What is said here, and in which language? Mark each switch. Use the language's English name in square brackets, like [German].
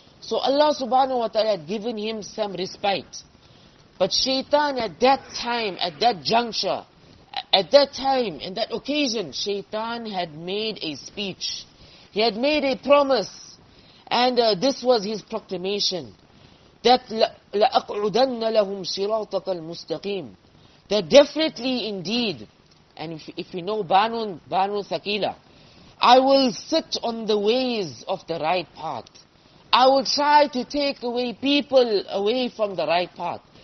[English] So Allah subhanahu wa ta'ala had given him some respite. But shaitan at that time, at that juncture, at that time, in that occasion, shaitan had made a speech. He had made a promise. And this was his proclamation. That [Arabic] لَأَقْعُدَنَّ لَهُمْ صِرَاطَكَ الْمُسْتَقِيمِ. [English] That definitely indeed, and if you know Banu Thaqila, I will sit on the ways of the right path. I will try to take away people away from the right path.